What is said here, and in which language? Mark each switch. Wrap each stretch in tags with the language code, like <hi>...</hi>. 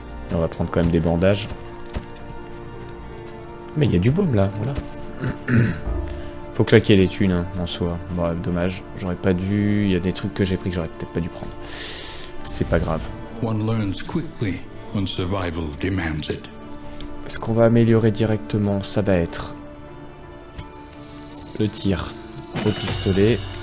<fr>Et on va prendre quand même des bandages. Mais il y a du baume là, voilà. Faut claquer les thunes hein, en soi. Bon ouais, dommage, j'aurais pas dû... Il y a des trucs que j'ai pris que j'aurais peut-être pas dû prendre. C'est pas grave.</fr> <en>One learns quickly when survival demands it.</en> <fr>Ce qu'on va améliorer directement, ça va être le tir au pistolet.</fr>